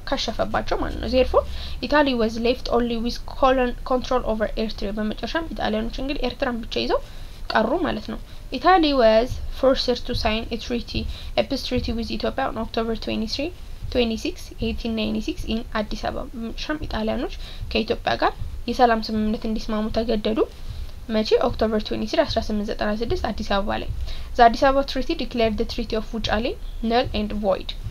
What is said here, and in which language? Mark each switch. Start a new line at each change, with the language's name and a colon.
Amharic: ከሸፈባቸው ማለት ነው።
English: Therefore, Italy was left only with control over Eritrea.
Amharic: በመጨረሻም ኢጣሊያኖች እንግዲህ ኤርትራን ብቻ ይዘው ቀሩ ማለት ነው።
English: Italy was forced to sign a peace treaty with Ethiopia on October 26, 1896 in Addis Ababa.
Amharic: በመጨረሻም ኢጣሊያኖች ከኢትዮጵያ ጋር የሰላም ስምምነት እንዲስማሙ ተገደዱ። መቼ?
English: October 23, 1896 አዲስ አበባ ላይ። The Addis Ababa Treaty declared the Treaty of Ucale null and void.